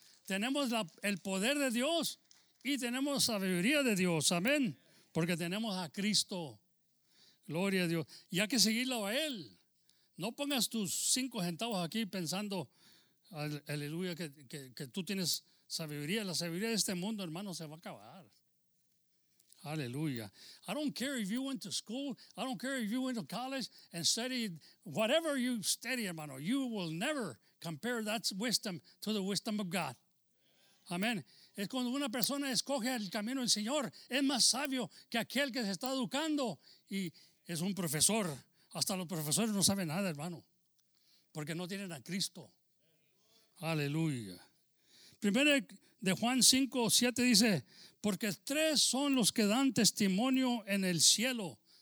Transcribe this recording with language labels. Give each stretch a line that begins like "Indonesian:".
Spanish: Tenemos el poder de Dios y tenemos sabiduría de Dios. Amén. Porque tenemos a Cristo. Gloria a Dios. Y hay que seguirlo a Él. No pongas tus 5 centavos aquí pensando, aleluya, que tú tienes sabiduría. La sabiduría de este mundo, hermano, se va a acabar. Aleluya.
English: I don't care if you went to school. I don't care if you went to college and studied whatever you study, hermano. You will never compare that wisdom to the wisdom of God.
Spanish: Amén. Es cuando una persona escoge el camino del Señor, es más sabio que aquel que se está educando y es un profesor. Hasta los profesores no saben nada, hermano, porque no tienen a Cristo. Aleluya. Primero de Juan 5:7 dice, porque tres son los que dan testimonio en el cielo.